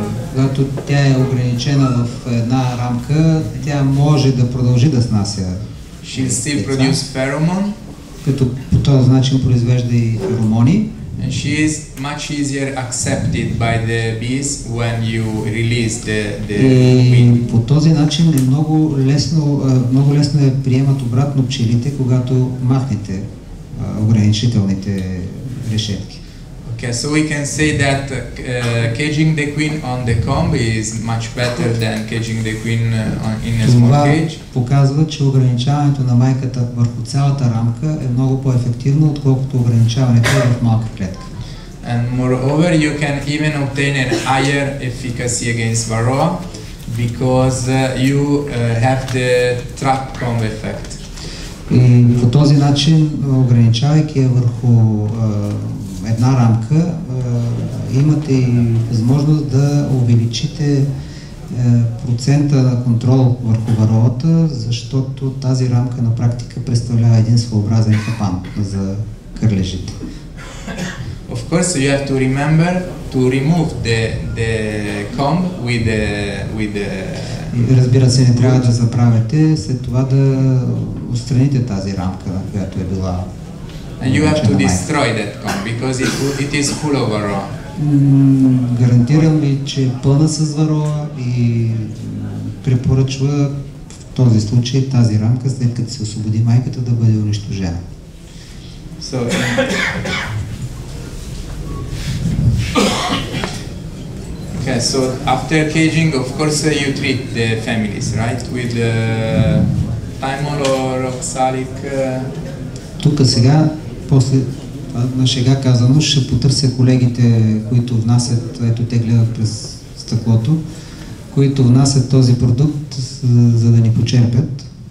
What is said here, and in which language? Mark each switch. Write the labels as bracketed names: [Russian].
[Bulgarian] Когато тя е ограничена в една рамка, тя може да продължи да снася. [English] She still produces pheromone. [Bulgarian] Като по този начин произвежда и феромони. [English] And she is much easier accepted by the bees when you release the queen. [Bulgarian] По този начин е много лесно е приемат обратно пчелите, когато махнете ограничителните решетки. [English] Okay, so we can say that caging the queen on the comb is much better than caging the queen in a small cage. [Bulgarian] Това показва, че ограничаването на майката върху цялата рамка е много по-ефективно, отколкото ограничаването е в малка клетка. [English] And moreover, you can even obtain a higher efficacy against varroa because you have the trap comb effect. [Bulgarian] И по този начин, ограничавайки я върху една рамка, имате и възможност да увеличите процента на контрол върху варолата, защото тази рамка на практика представлява един своеобразен капан за кърлежите. [English] Of course, you have to remember to remove the comb with the [Bulgarian] Разбира се, не трябва да забравяте след това да отстраните тази рамка, на която е била. [English] And you have to destroy that comb because it is full of varroa. [Bulgarian] Гарантирам ви, че е пълна с варроа и препоръчва в този случай тази рамка, след като се освободи майката, да бъде унищожена. [English] So, okay, so after caging, of course, you treat the families, right? With thymol or oxalic. [Bulgarian] Тук сега, после на шега казано, ще потърся колегите, които внасят, ето те гледат през стъклото, които внасят този продукт, за да ни почерпят.